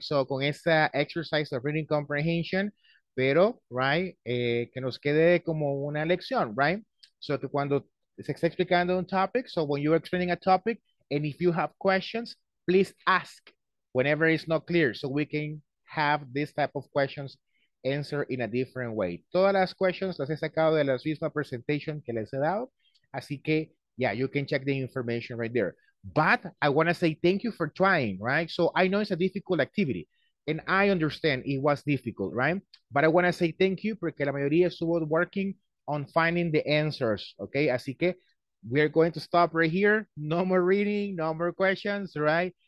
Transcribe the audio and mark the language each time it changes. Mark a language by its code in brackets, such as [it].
[es] So con esta exercise of reading comprehension, pero, right, que nos quede como una lección, right? [en] So [es] que cuando se está explicando un topic, [en] so when you're explaining a topic, and if you have questions, please ask whenever it's not clear, so we can have this type of questions answered in a different way. [es] Todas las questions las he sacado de la misma presentation que les he dado. Así que, [en] yeah, you can check the information right there. But I want to say thank you for trying, right? So I know it's a difficult activity, and I understand it was difficult, right? But I want to say thank you [es] porque la mayoría estuvo [en] working on finding the answers, okay? [es] Así que [en] we are going to stop right here. No more reading, no more questions, right?